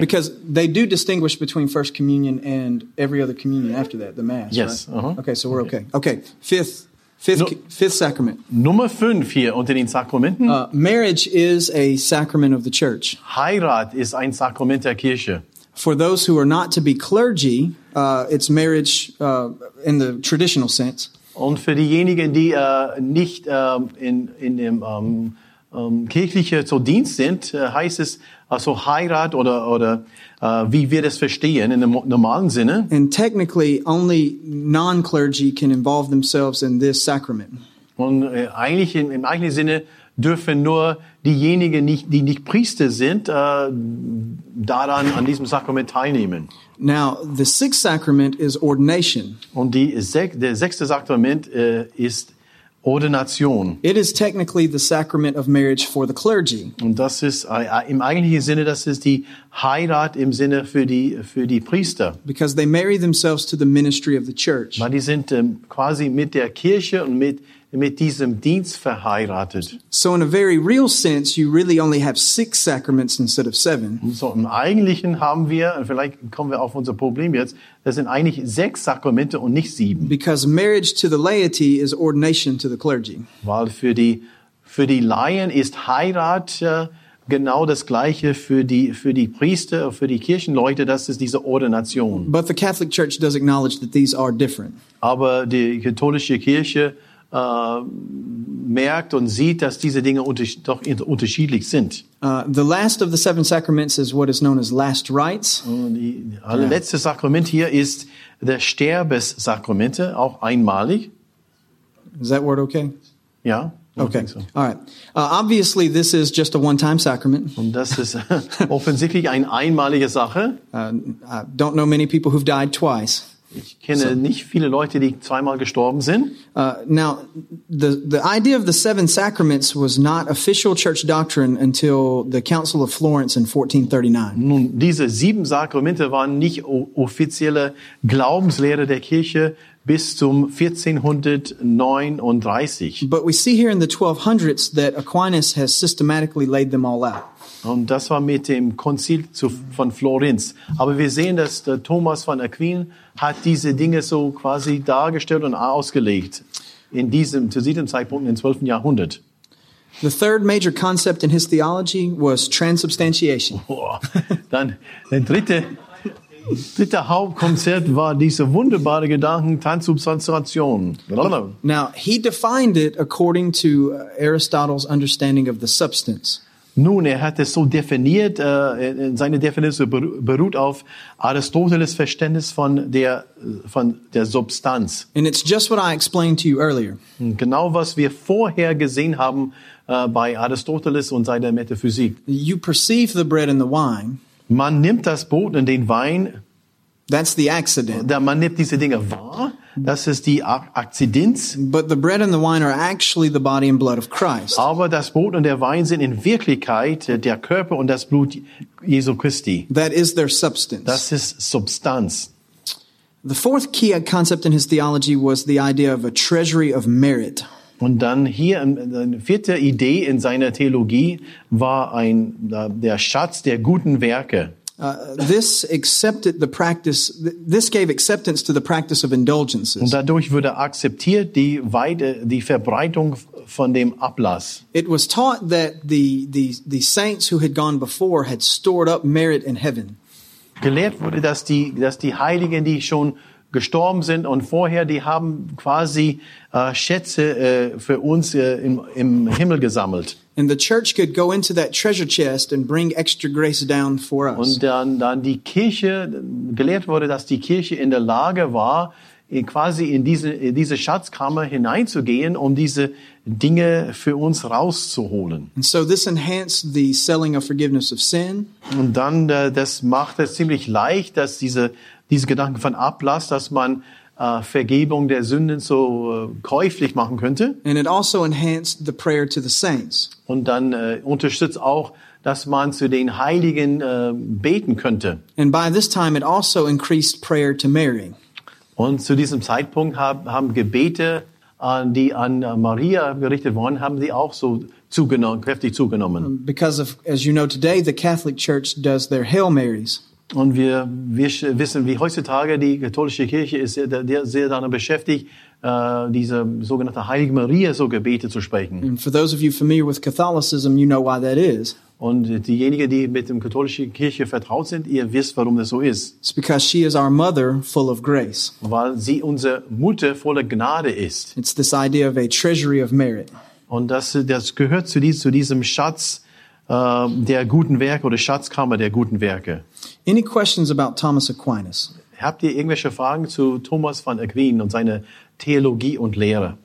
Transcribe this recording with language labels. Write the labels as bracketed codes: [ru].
[en] Because they do distinguish between First Communion and every other communion after that, the Mass, yes. Right? Yes, uh-huh. Okay, so we're okay. Okay, fifth Sacrament. [de] Nummer fünf hier unter den Sakramenten. [en] Marriage is a sacrament of the Church. [de] Heirat ist ein Sakrament der Kirche. [en] For those who are not to be clergy, it's marriage in the traditional sense. [de] Und für diejenigen, die nicht in dem kirchlichen Dienst sind, heißt es Also Heirat oder wie wir das verstehen in dem normalen Sinne. [en] And technically only non-clergy can involve themselves in this sacrament. [de] Und eigentlich im eigentlichen Sinne dürfen nur diejenigen, die nicht Priester sind, daran an diesem Sakrament teilnehmen. [en] Now the sixth sacrament is ordination. [de] Und der sechste Sakrament ist Ordination. [en] It is technically the sacrament of marriage for the clergy. [de] Und das ist im eigentlichen Sinne, das ist die Heirat im Sinne für die Priester. [en] Because they marry themselves to the ministry of the church. [de] Weil die sind quasi mit der Kirche und mit diesem Dienst verheiratet. [en] So in a very real sense, you really only have six sacraments instead of seven. [de] So im Eigentlichen haben wir, und vielleicht kommen wir auf unser Problem jetzt, das sind eigentlich sechs Sakramente und nicht sieben. [en] Because marriage to the laity is ordination to the clergy. [de] Weil für die Laien ist Heirat genau das Gleiche für die Priester, für die Kirchenleute, das ist diese Ordination. [en] But the Catholic Church does acknowledge that these are different. [de] Aber die katholische Kirche merkt und sieht, dass diese Dinge doch unterschiedlich sind. [en] The last of the seven sacraments is what is known as last rites. [de] Das letzte Sakrament hier ist der Sterbessakrament, auch einmalig. [en] Is that word okay? [de] Ja. [en] Okay. So. All right. Obviously, this is just a one-time sacrament. [de] Und das ist offensichtlich eine einmalige Sache. [en] I don't know many people who've died twice. [de] Ich kenne nicht viele Leute, die zweimal gestorben sind. [en] Now, the idea of the seven sacraments was not official church doctrine until the Council of Florence in 1439. [de] Nun, diese sieben Sakramente waren nicht offizielle Glaubenslehre der Kirche bis zum 1439. [en] But we see here in the 1200s that Aquinas has systematically laid them all out. [de] Und das war mit dem Konzil von Florenz. Aber wir sehen, dass der Thomas von Aquin hat diese Dinge so quasi dargestellt und ausgelegt zu diesem Zeitpunkt im 12. Jahrhundert. [en] The third major concept in his theology was transubstantiation. [de] Oh, dann der dritte Hauptkonzept war dieser wunderbare Gedanke Transubstantiation. [en] Now he defined it according to Aristotle's understanding of the substance. [de] Nun, er hat es so definiert, seine Definition beruht auf Aristoteles Verständnis von der Substanz. [en] And it's just what I explained to you earlier. [de] Genau was wir vorher gesehen haben bei Aristoteles und seiner Metaphysik. [en] You perceive the bread and the wine. [de] Man nimmt das Brot und den Wein. [en] That's the accident. [de] Man nimmt diese Dinge wahr. Das ist die Akzidenz. [en] But the bread and the wine are actually the body and blood of Christ. [de] Aber das Brot und der Wein sind in Wirklichkeit der Körper und das Blut Jesu Christi. [en] That is their substance. [de] Das ist Substanz. [en] The fourth key concept in his theology was the idea of a treasury of merit. [de] Und dann hier eine vierte Idee in seiner Theologie war der Schatz der guten Werke. [en] This gave acceptance to the practice of indulgences. [de] Und dadurch wurde akzeptiert die Verbreitung von dem Ablass. [en] It was taught that the saints who had gone before had stored up merit in heaven. [de] Gelehrt wurde, dass die Heiligen, die schon gestorben sind und vorher, die haben quasi Schätze für uns im Himmel gesammelt. [en] And the church could go into that treasure chest and bring extra grace down for us. [de] Und dann die Kirche, gelehrt wurde, dass die Kirche in der Lage war, quasi in diese Schatzkammer hineinzugehen, um diese Dinge für uns rauszuholen. [en] And so this enhanced the selling of forgiveness of sin. [de] Und dann, das macht es ziemlich leicht, dass diese Gedanken von Ablass, dass man Vergebung der Sünden so käuflich machen könnte. [en] And it also enhanced the prayer to the saints. [de] Und dann unterstützt auch, dass man zu den Heiligen beten könnte. [en] And by this time it also increased prayer to Mary. [de] Und zu diesem Zeitpunkt haben Gebete, die an Maria gerichtet worden, haben sie auch so kräftig zugenommen. [en] Because of, as you know today, the Catholic Church does their Hail Marys. [de] Und wir wissen, wie heutzutage die katholische Kirche ist sehr daran beschäftigt, diese sogenannte Heilige Maria so Gebete zu sprechen. [en] And for those of you familiar with Catholicism, you know why that is. [de] Und diejenigen, die mit dem katholischen Kirche vertraut sind, ihr wisst, warum das so ist. [en] It's because she is our mother, full of grace. [de] Weil sie unsere Mutter voller Gnade ist. [en] It's this idea of a treasury of merit. [de] Und das gehört zu diesem Schatz, der guten Werke oder Schatzkammer der guten Werke. [en] Any questions about Thomas Aquinas? [de] Habt ihr irgendwelche Fragen zu Thomas von Aquin und seine Theologie und Lehre?